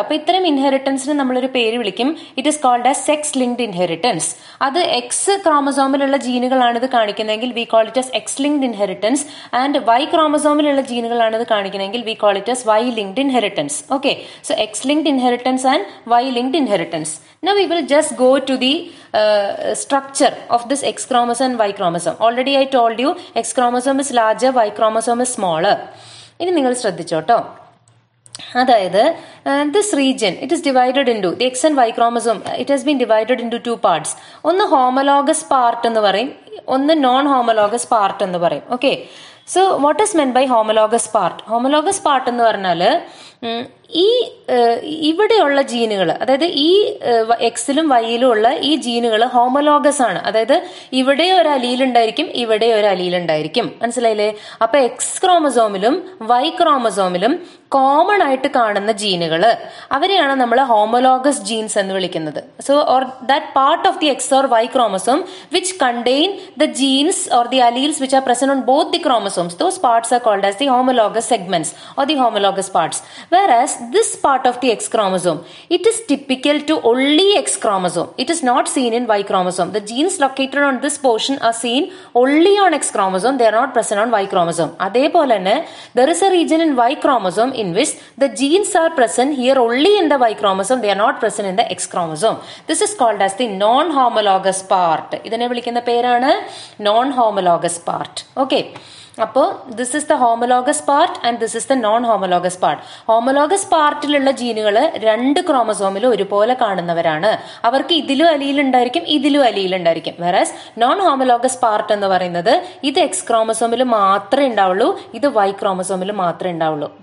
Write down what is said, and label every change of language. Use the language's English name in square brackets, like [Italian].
[Malayalam] അപ്പൊ ഇത്തരം ഇൻഹെറിറ്റൻസിന് നമ്മളൊരു പേര് വിളിക്കും, [English] It is called a sex linked inheritance. [Malayalam] അത് എക്സ് ക്രോമസോമിലുള്ള ജീനുകളാണ് ഇത് കാണിക്കുന്നതെങ്കിൽ [English] we call it as X linked inheritance, and [Malayalam] Y ക്രോമസോമിലുള്ള ജീനുകളാണ് ഇത് കാണിക്കുന്നതെങ്കിൽ [English] We call it as Y linked inheritance. Okay, so X linked inheritance and Y linked inheritance. Now we will just go to the structure of this X chromosome and Y chromosome. Already I told you X chromosome is larger, Y chromosome is smaller. [Malayalam] ഇനി നിങ്ങൾ ശ്രദ്ധിച്ചോ ട്ടോ. [English] അതായത് this region it is divided into the X and Y chromosome, it has been divided into two parts. [Malayalam] ഒന്ന് homologous part എന്ന് പറയും, ഒന്ന് non homologous part എന്ന് പറയും. [English] Okay, so what is meant by homologous part? [Malayalam] Homologous part എന്ന് പറഞ്ഞാല് ഈ ഇവിടെയുള്ള ജീനുകൾ, അതായത് ഈ എക്സിലും വൈയിലും ഉള്ള ഈ ജീനുകൾ ഹോമലോഗസ് ആണ്. അതായത് ഇവിടെ ഒരു അലീൽ ഉണ്ടായിരിക്കും, ഇവിടെ ഒരു അലീൽ ഉണ്ടായിരിക്കും, മനസ്സിലായില്ലേ? അപ്പൊ എക്സ് ക്രോമസോമിലും വൈ ക്രോമസോമിലും കോമൺ ആയിട്ട് കാണുന്ന ജീനുകൾ, അവരെയാണ് നമ്മൾ ഹോമലോഗസ് ജീൻസ് എന്ന് വിളിക്കുന്നത്. [English] So or that part of the X or Y chromosome which contain the genes or the alleles which are present on both the chromosomes, those parts are called as the homologous segments or the homologous parts. Whereas this part of the X chromosome, it is typical to only X chromosome. It is not seen in Y chromosome. The genes located on this portion are seen only on X chromosome. They are not present on Y chromosome. [Malayalam] Adepole enne, [English] there is a region in Y chromosome in which the genes are present here only in the Y chromosome. They are not present in the X chromosome. This is called as the non-homologous part. [Malayalam] Idane vilikkunna perana [English] non-homologous part. Okay. അപ്പോ this is the homologous part and this is the non homologous part. [Malayalam] Homologous പാർട്ടിലുള്ള ജീനുകൾ രണ്ട് ക്രോമസോമിലും ഒരുപോലെ കാണുന്നവരാണ്, അവർക്ക് ഇതിലും അലീൽ ഉണ്ടായിരിക്കും, ഇതിലും അലീൽ ഉണ്ടായിരിക്കും. വേറാസ് non homologous part എന്ന് പറയുന്നത് ഇത് എക്സ് ക്രോമസോമിൽ മാത്രമേ ഉണ്ടാവുള്ളൂ, ഇത് വൈ ക്രോമസോമിൽ മാത്രമേ ഉണ്ടാവുള്ളൂ.